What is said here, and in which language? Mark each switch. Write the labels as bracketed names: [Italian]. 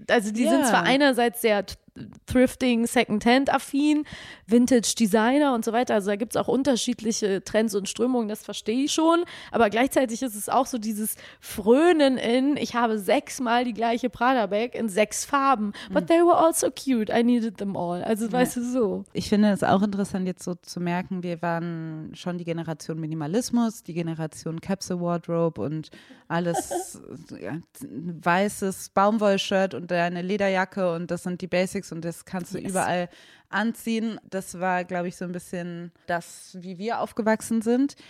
[German] Also die, [English] yeah, [German] sind zwar einerseits sehr thrifting, secondhand-affin, Vintage-Designer und so weiter. Also da gibt es auch unterschiedliche Trends und Strömungen, das verstehe ich schon. Aber gleichzeitig ist es auch so dieses Frönen in, ich habe 6-mal die gleiche Prada-Bag in 6 Farben. [English] But they were all so cute, I needed them all. [German] Also weißt, ja, du, so. Ich finde es auch interessant, jetzt so zu merken, wir waren schon die Generation Minimalismus, die Generation Capsule Wardrobe und alles, ja, weißes Baumwoll-Shirt und deine Lederjacke und das sind die Basics. Und das kannst du, [English] yes, [German] überall anziehen. Das war, glaube ich, so ein bisschen das, wie wir aufgewachsen sind.